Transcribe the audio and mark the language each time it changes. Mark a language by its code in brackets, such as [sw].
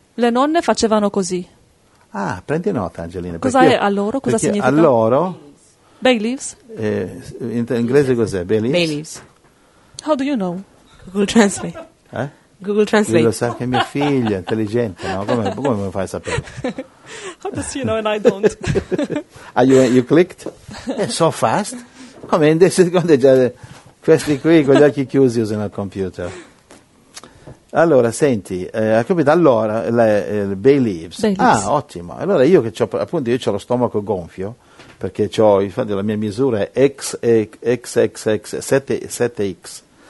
[it] Le nonne facevano così. Ah, prendi nota, Angelina. Cos'è alloro? Cosa significa? Alloro... [en] Bay leaves? [it] In inglese cos'è? Bay leaves? [en] Bay leaves. How do you know? Google Translate. Eh? Google Translate. [it] Lo sa anche mia figlia, intelligente, no? Come mi fai a sapere? [en] How does you know and I don't? Are you clicked? So fast. [it] Come in 10 secondi già questi qui con gli occhi chiusi usano il computer. Allora, senti, ha capito? Allora, il bay leaves. Ah, ottimo. Allora, io che ho, appunto, io ho lo stomaco gonfio, perché ho, infatti, la mia misura è XXX7X.